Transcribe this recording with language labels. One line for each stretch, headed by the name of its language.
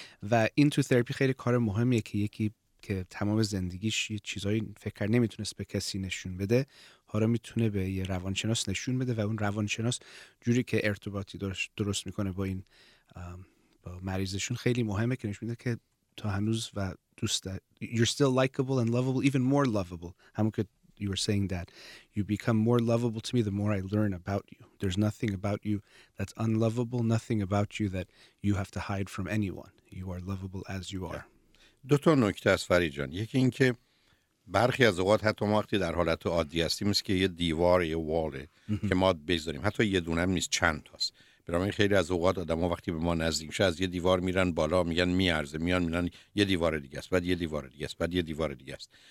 Persian: و این تو تراپی خیلی کار مهمیه که یکی که تمام زندگیش یه چیزایی فکر نمیتونست به کسی نشون بده، حالا میتونه به یه روانشناس نشون بده، و اون روانشناس جوری که ارتباطی درست میکنه با این با مریضشون خیلی مهمه، که نشون میده که تو هنوز و دوست
English: you're still likable and lovable, even more lovable.
Persian: همون که
English: you were saying that you become more lovable to me the more I learn about you. There's nothing about you that's unlovable, nothing about you that you have to hide from anyone. You are lovable as you are.
Persian: دو تا نکته از فرید جان. یکی این که برخی از اوقات حتی ما وقتی در حالت عادی هستیم است که یه دیوار یه واله که ما بذاریم، حتی یه دونه هم نیست، چند تاست. برای من خیلی از اوقات آدم‌ها وقتی به ما نزدیک میشه از یه دیوار میرن بالا، میگن میارزه، میان یه دیوار دیگه است، بعد یه دیوار دیگه است، بعد یه دیوار دیگه است.